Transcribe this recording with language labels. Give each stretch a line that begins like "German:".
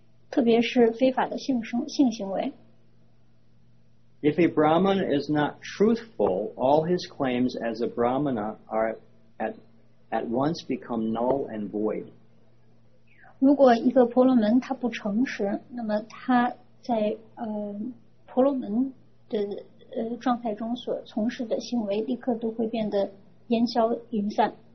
Chinese: 特别是非法的性行为。
English: If a Brahman is not truthful, all his claims as a Brahmana are at once become null and void.
Chinese: 如果一个婆罗门他不诚实，那么他在婆罗门的状态中所从事的行为立刻都会变得烟消云散。